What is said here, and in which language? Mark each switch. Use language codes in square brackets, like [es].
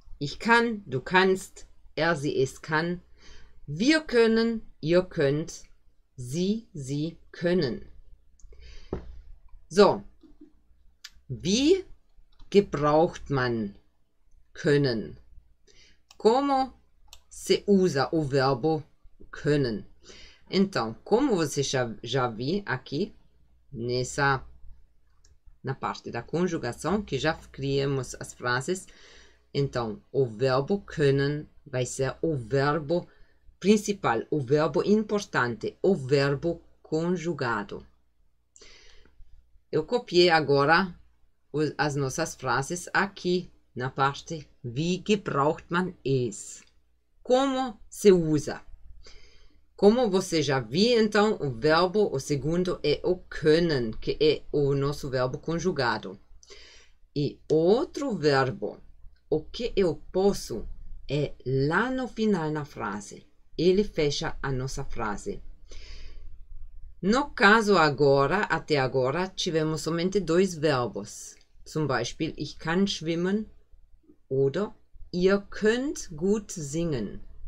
[de] Ich kann, du kannst, er, sie, es kann. Wir können, ihr könnt, sie können. So, wie gebraucht man können? [pt] Como se usa o verbo können? Então, como você já viu aqui na parte da conjugação, que já criamos as frases, então, o verbo können vai ser o verbo principal, o verbo importante, o verbo conjugado. Eu copiei agora as nossas frases aqui na parte [de] Wie gebraucht man es? [pt] Como se usa? Como você já viu, então, o verbo, o segundo, é o können, que é o nosso verbo conjugado. E outro verbo, o que eu posso, é lá no final na frase. Ele fecha a nossa frase. No caso agora, até agora, tivemos somente dois verbos. [de] Zum Beispiel, ich kann schwimmen. Oder, ihr könnt gut singen.